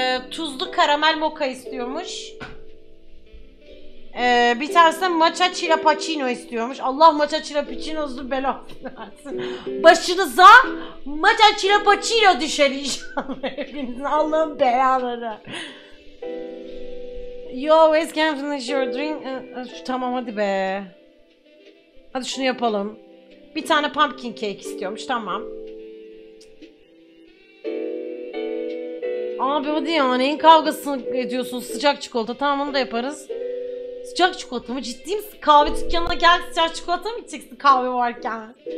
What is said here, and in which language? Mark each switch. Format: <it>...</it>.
<tr>Tuzlu karamel mocha istiyormuş. Bir tanesi matcha chilapacino istiyormuş. Allah matcha chilapacino'su bela versin. Başınıza matcha chilapacino düşer inşallah. Allah'ın belaları.</tr> <en>You always can finish your drink.</en> <tr>Tamam hadi be. Hadi şunu yapalım. Bir tane pumpkin cake istiyormuş. Tamam. Abi hadi ya, neyin kavgasını ediyorsun? Sıcak çikolata. Tamam onu da yaparız. Sıcak çikolata mı? Ciddi misin? Kahve dükkanına gel sıcak çikolata mı içeceksin kahve varken?</tr>